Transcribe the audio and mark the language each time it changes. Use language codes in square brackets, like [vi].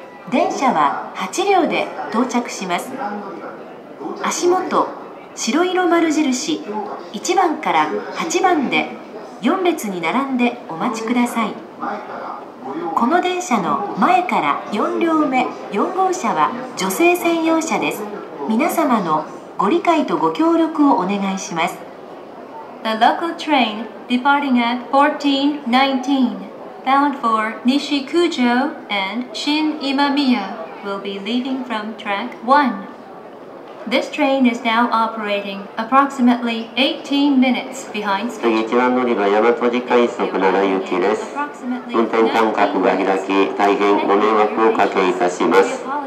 [ja] 電車は8両で到着します。足元白色丸印1番から8番で4列に並んでお待ちください。この電車の前から4両目4号車は女性専用車です。皆様のご理解とご協力をお願いします。 [en] The local train departing at 1419 bound for Nishikujo and Shin Imamiya will be leaving from track 1. This train is now operating approximately 18 minutes behind schedule. [ja] 一番乗り場、大和路快速奈良行きです。運転間隔が開き、大変ご迷惑をおかけいたします。